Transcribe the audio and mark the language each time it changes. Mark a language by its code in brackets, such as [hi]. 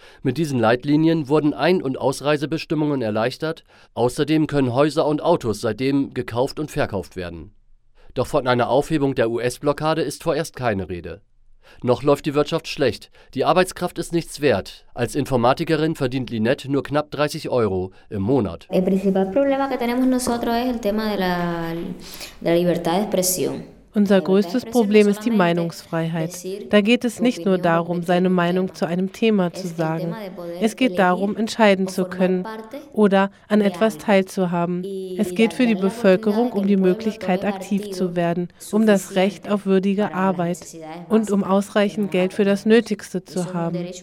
[de] Mit diesen Leitlinien wurden Ein- und Ausreisebestimmungen erleichtert. Außerdem können Häuser und Autos seitdem gekauft und verkauft werden. Doch von einer Aufhebung der US-Blockade ist vorerst keine Rede. Noch läuft die Wirtschaft schlecht. Die Arbeitskraft ist nichts wert. Als Informatikerin verdient Linette nur knapp 30 Euro im Monat. [es] El principal problema que tenemos nosotros es el tema de la libertad de expresión. [de] Unser größtes Problem ist die Meinungsfreiheit. Da geht es nicht nur darum, seine Meinung zu einem Thema zu sagen. Es geht darum, entscheiden zu können oder an etwas teilzuhaben. Es geht für die Bevölkerung um die Möglichkeit, aktiv zu werden, um das Recht auf würdige Arbeit und um ausreichend Geld für das Nötigste zu haben.